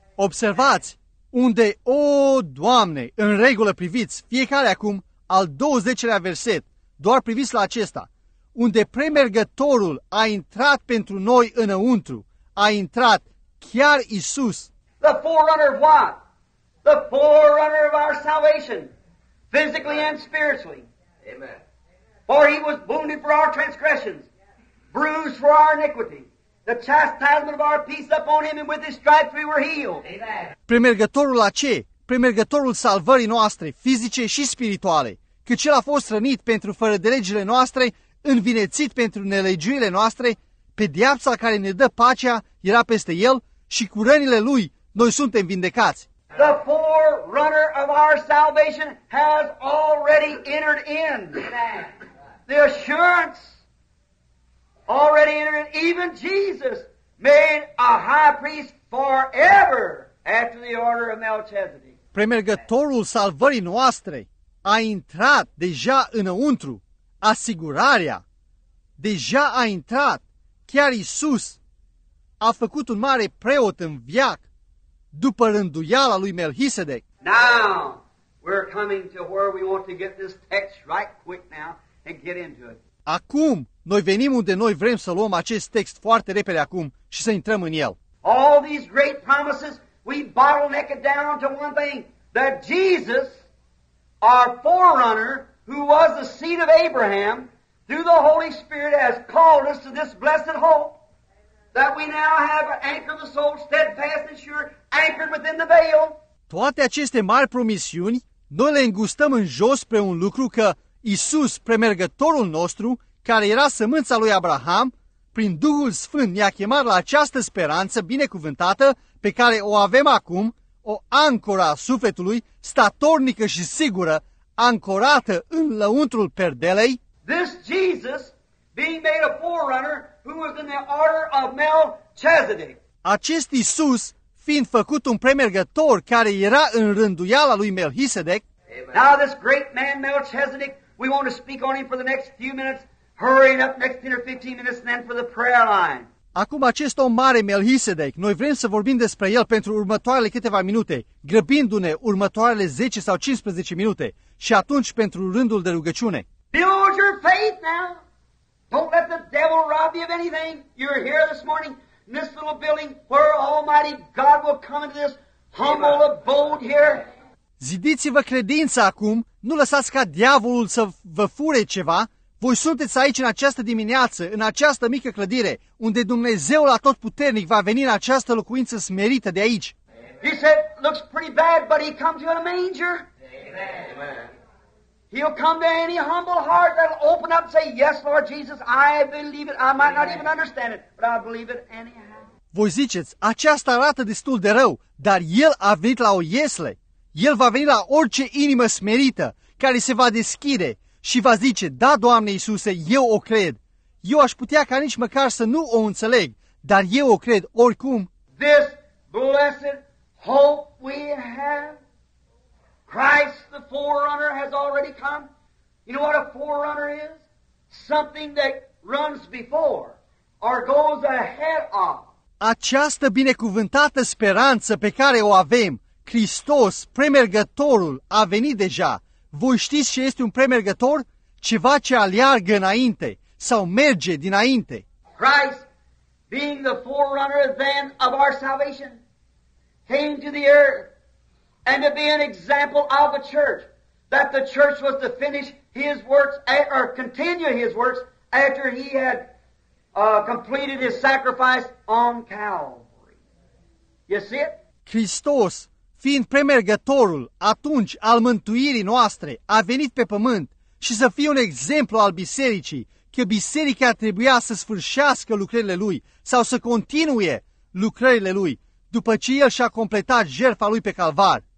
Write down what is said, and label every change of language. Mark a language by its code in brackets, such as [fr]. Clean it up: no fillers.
[ro] Observați unde, o, Doamne, în regulă priviți, fiecare acum, al 20-lea verset, doar priviți la acesta, unde premergătorul a intrat pentru noi înăuntru, a intrat chiar Iisus. [en] The forerunner of what? The forerunner of our salvation, physically and spiritually. Amen. For he was wounded for our transgressions, bruised for our iniquity. The chastisement of our peace upon him, and with his stripes we were healed. Amen. [ro] Premergătorul la ce? Premergătorul salvării noastre, fizice și spirituale. Căci el a fost rănit pentru fărădelegile noastre, învinețit pentru nelegiurile noastre, pedeapsa care ne dă pacea era peste el și cu rănile lui noi suntem vindecați. [en] The forerunner of our salvation has already entered in. The assurance already entered in. Even Jesus made a high priest forever after the order of Melchizedek. [ro] Premergătorul salvării noastre a intrat deja înăuntru. Asigurarea deja a intrat. Chiar Iisus a făcut un mare preot în viac. După rânduiala lui Melchisedec. [en] Now, we're coming to where we want to get this text right quick now and get into it. [ro] Acum, noi venim unde noi vrem să luăm acest text foarte repede acum și să intrăm în el. [en] All these great promises, we bottleneck it down to one thing, that Jesus, our forerunner, who was the seed of Abraham, through the Holy Spirit has called us to this blessed hope. That we now have an anchor of the soul, steadfast and sure, anchored within the veil. [ro] Toate aceste mari promisiuni, noi le îngustăm în jos spre un lucru că Iisus, premergătorul nostru, care era sămânța lui Abraham, prin Duhul Sfânt ne-a chemat la această speranță binecuvântată pe care o avem acum, o ancoră a sufletului, statornică și sigură, ancorată în lăuntrul perdelei, [en] this Jesus being made a forerunner who was in the order of Melchizedek. [ro] Acest Iisus fiind făcut un premergător care era în rânduiala lui Melchizedek. [en] Now this great man Melchizedek, we want to speak on him for the next few minutes, hurrying up next 10 or 15 minutes and then for the prayer line. [ro] Acum acest om mare, Melchizedek, noi vrem să vorbim despre el pentru următoarele câteva minute, grăbindu-ne următoarele 10 sau 15 minute și atunci pentru rândul de rugăciune. [en] Build your faith now. Don't let the devil rob you of anything. You're here this morning in this little building where Almighty God will come into this humble abode here. [ro] Zidiți-vă credința acum, nu lăsați ca diavolul să vă fure ceva. Voi sunteți aici în această dimineață, în această mică clădire, unde Dumnezeul Atotputernic va veni în această locuință smerită de aici. [en] He said, looks pretty bad, but he comes in a manger. Amen. He'll come to any humble heart that'll open up and say, yes, Lord Jesus, I believe it. I might not even understand it, but I believe it anyhow. [ro] Voi ziceți, aceasta arată destul de rău, dar el a venit la o iesle. El va veni la orice inimă smerită, care se va deschide. Și va zice, da, Doamne Iisuse, eu o cred. Eu aș putea ca nici măcar să nu o înțeleg, dar eu o cred oricum. [en] This blessed hope we have, Christ the forerunner has already come. You know what a forerunner is? Something that runs before or goes ahead of. [ro] Această binecuvântată speranță pe care o avem, Hristos, premergătorul, a venit deja. Voi știți ce este un premergător? Ceva ce aleargă înainte sau merge dinainte. [en] Christ, being the forerunner then of our salvation, came to the earth and to be an example of the church, that the church was to finish his works or continue his works after he had completed his sacrifice on Calvary. You see it? [ro] Hristos, fiind premergătorul atunci al mântuirii noastre, a venit pe pământ și să fie un exemplu al bisericii, că biserica trebuia să sfârșească lucrările lui sau să continue lucrările lui după ce el și-a completat jertfa lui pe calvar.